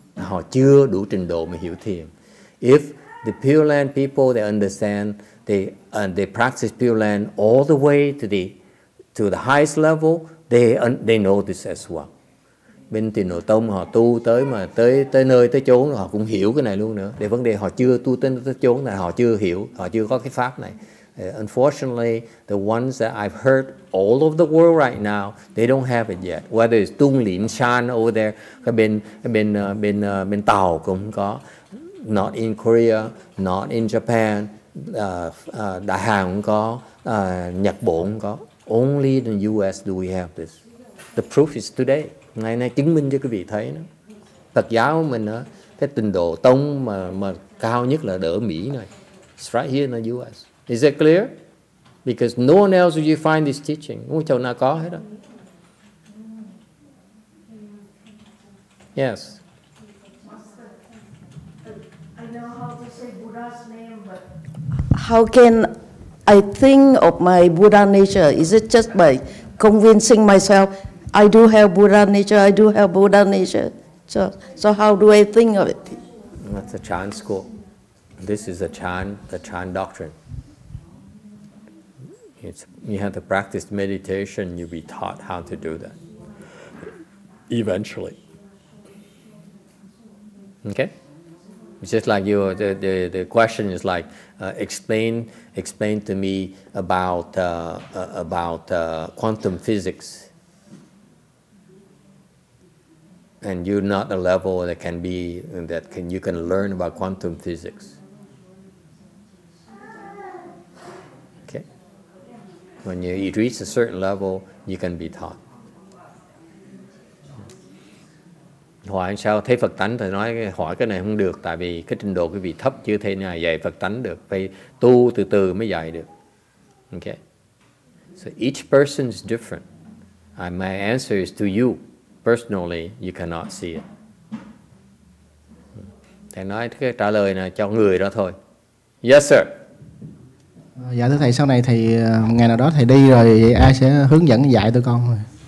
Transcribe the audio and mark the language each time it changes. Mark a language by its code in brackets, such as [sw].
[vi] Họ chưa đủ trình độ mà hiểu thiền. [en] If the Pure Land people, they understand, they practice Pure Land all the way to the highest level, they know this as well. [vi] Bên tịnh độ tông họ tu tới mà tới nơi tới chốn họ cũng hiểu cái này luôn nữa. Để vấn đề họ chưa tu tới chốn này, họ chưa hiểu, họ chưa có cái pháp này. [en] Unfortunately, the ones that I've heard all over the world right now, they don't have it yet. Whether it's Tung Lim Chan over there, [vi] bên Tàu cũng có. [en] Not in Korea, not in Japan, [vi] Đại Hàn cũng có, Nhật Bộ cũng có. [en] Only in the US do we have this. The proof is today. [vi] Ngày nay chứng minh cho quý vị thấy nữa. Phật giáo mình đó, cái tịnh độ tông mà cao nhất là ở Mỹ này. [en] It's right here in the US. Is that clear? Because no one else will you find this teaching. [vi] Không có chỗ nào có hết đó. [en] Yes. I know how to say Buddha's name, but how can I think of my Buddha nature? Is it just by convincing myself, I do have Buddha nature, I do have Buddha nature? So how do I think of it? That's a Chan school. This is the Chan doctrine. You have to practice meditation, you'll be taught how to do that. Eventually. Okay? It's just like you, the question is like, explain to me about quantum physics. And you're not a level that can be, that can you can learn about quantum physics. When you reach a certain level, you can be taught. [vi] Hỏi sao thấy Phật tánh thì nói hỏi cái này không được tại vì cái trình độ quý vị thấp chưa thể nào dạy Phật tánh được, phải tu từ từ mới dạy được. [en] Okay. So each person is different. And my answer is to you personally, you cannot see it. [vi] Thầy nói cái trả lời là cho người đó thôi. [en] Yes sir. [vi] Dạ thưa thầy, sau này thầy ngày nào đó thầy đi rồi vậy ai sẽ hướng dẫn dạy tụi con rồi.